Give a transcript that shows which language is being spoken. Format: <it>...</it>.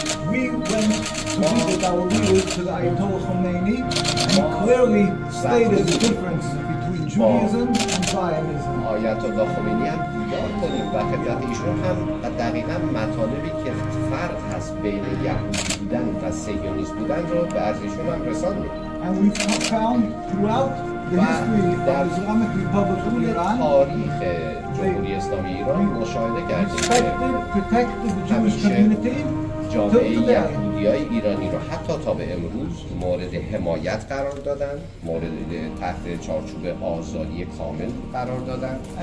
<en>We went to visit our leaders to the Ayatollah Khomeini, and he clearly stated the difference between Judaism and Zionism. Ayatollah Khomeini had</en> <fa>بیان کنید و خدمت ایشون هم و دقیقا مطالبی که فرق هست بین یهودی بودن و صهیونیست بودن رو به ایشون هم رساندید.</fa> <en>And we found throughout the history of the Islamic Republic of Iran,</en> <fa>تاریخ جمهوری اسلامی ایران مشاهده کردیم</fa> <en>protected the Jewish community.</en> <fa>جامعه یهودی های ایرانی رو حتی تا به امروز مورد حمایت قرار دادن مورد تحت چارچوب آزادی کامل قرار دادن</fa>